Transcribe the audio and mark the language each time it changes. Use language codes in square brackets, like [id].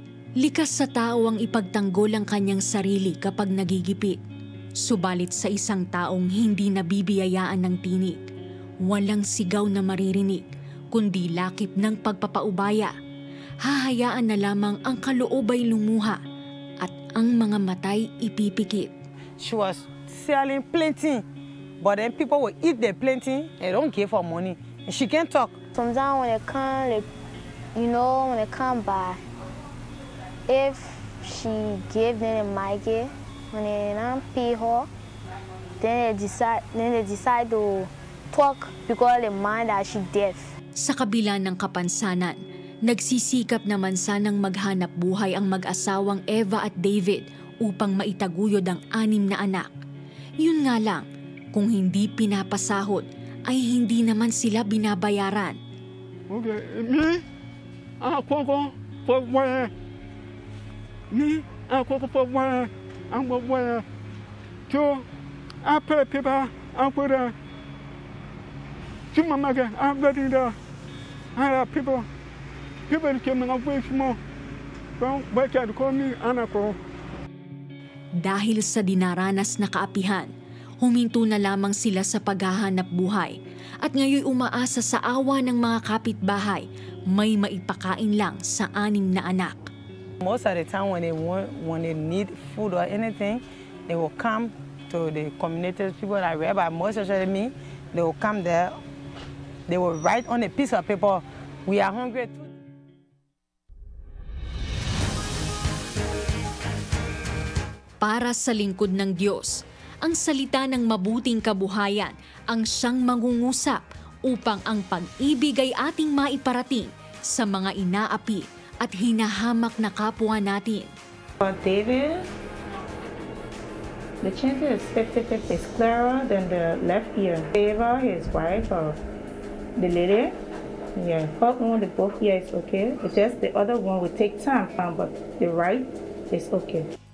[tl] Likas sa tao ang ipagtanggol ang kanyang sarili kapag nagigipit. Subalit sa isang taong hindi nabibiyayaan ng tinig, walang sigaw na maririnig, kundi lakip ng pagpapaubaya. Hahayaan na lamang ang kaloob ay lumuha at ang mga matay ipipikit. [en] She was selling plenty, but then people will eat the plenty and don't give her money. And she can't talk. Sometimes when they come, when they come by, if she give them a mike, when they don't pay her, then they decide to talk because they mind that she deaf. [tl] Sa kabila ng kapansanan, nagsisikap naman sanang maghanap buhay ang mag-asawang Eva at David upang maitaguyod ang anim na anak. Yun nga lang, kung hindi pinapasahod, ay hindi naman sila binabayaran. [en] Okay, me? [tl] Dahil sa dinaranas na kaapihan, huminto na lamang sila sa paghahanap buhay at ngayon umaasa sa awa ng mga kapitbahay, may maipakain lang sa anim na anak. [en] Most of the time when they need food or anything, they will come to the community, people that are read by most especially me, they will come there, they will write on a piece of paper, we are hungry too. [tl] Para sa lingkod ng Diyos, ang salita ng mabuting kabuhayan ang siyang mangungusap upang ang pag-ibig ay ating maiparating sa mga inaapi at hinahamak na kapwa natin. [en] For David, the chance is 50-50 is clearer than the left ear. Eva, his wife, or the lady, yeah, her own, the both ear is okay. It's just the other one will take time, but the right is okay.